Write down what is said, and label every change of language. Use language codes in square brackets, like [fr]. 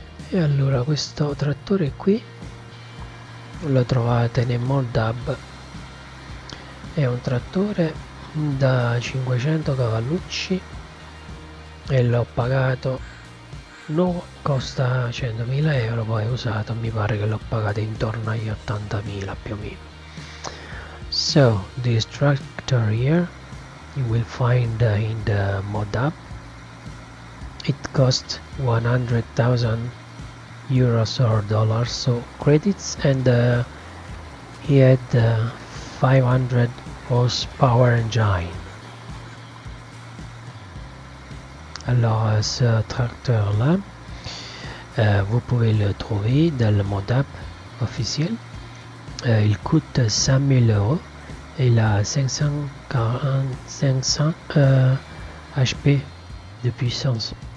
[it] E allora questo trattore qui lo trovate nel Moldab, è un trattore da 500 cavallucci e l'ho pagato, no, costa 100.000 euro, poi usato mi pare che l'ho pagato intorno agli 80.000 più o meno. [en] So this tractor here you will find in the mod up, it cost 100,000 euros or dollars, so credits, and he had 500 horsepower engine. [fr] Alors ce tracteur là, vous pouvez le trouver dans le modap officiel. Il coûte 5000 euros et il a 500 HP de puissance.